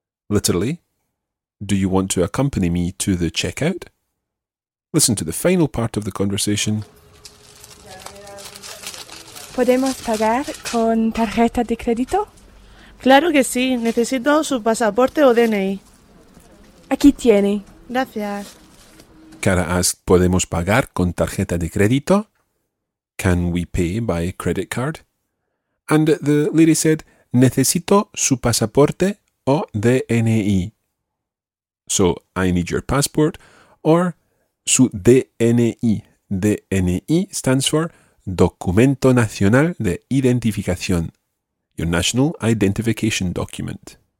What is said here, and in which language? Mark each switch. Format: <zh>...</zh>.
<en>Literally, do you want to accompany me to the checkout? Listen to the final part of the conversation.</en> <es>¿Podemos pagar con tarjeta de crédito? Claro que sí. Necesito su pasaporte o DNI. Aquí tiene. Gracias.</es> <en>Cara asks,</en> <es>¿podemos pagar con tarjeta de crédito?</es> <en>Can we pay by credit card? And the lady said,</en> <es>necesito su pasaporte o DNI.</es> <en>So, I need your passport or su DNI. DNI stands for Documento Nacional de Identificación, your National Identification Document.</en>